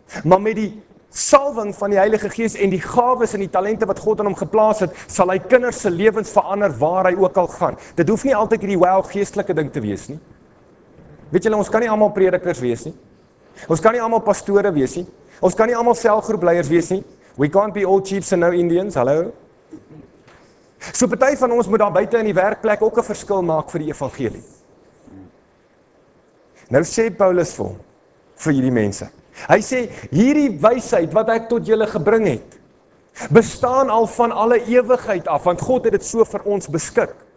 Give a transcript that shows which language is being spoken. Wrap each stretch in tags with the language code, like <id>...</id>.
<af>Maar met die salwing van die Heilige Gees en die gawes en die talente wat God in hom geplaas het, sal hy kinders se lewens verander waar hy ook al gaan. Dit hoef nie altyd hierdie wel geestelike ding te wees nie. Weet julle, ons kan nie almal predikers wees nie. Ons kan nie almal pastore wees nie. Ons kan nie almal selgroepleiers wees nie.</af> <en>We can't be all chiefs and no Indians, hallo?</en> <af>So party van ons moet daar buite in die werkplek ook 'n verskil maak vir die evangelie. Nou sê Paulus vir hom, vir hierdie mense. Hy sê, hierdie wysheid wat ek tot julle gebring het, bestaan al van alle ewigheid af, want God het dit so vir ons beskik.</af>